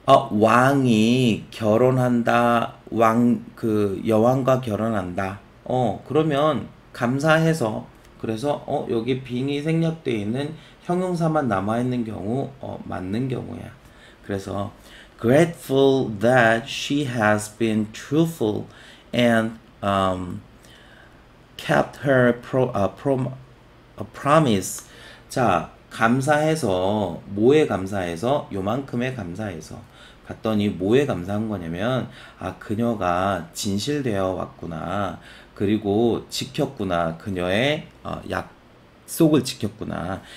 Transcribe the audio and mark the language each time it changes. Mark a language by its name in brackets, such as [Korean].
[Korean] 왕이 결혼한다. 여왕과 결혼한다. 그러면 감사해서. 그래서 여기 빙이 생략되어 있는 형용사만 남아있는 경우 맞는 경우야. 그래서 [English] grateful that she has been truthful and kept her pro promise. [Korean] 자, 감사해서 뭐에 감사해서 요만큼에 감사해서 봤더니 뭐에 감사한 거냐면 아 그녀가 진실되어 왔구나. 그리고 지켰구나. 그녀의 약속을 지켰구나.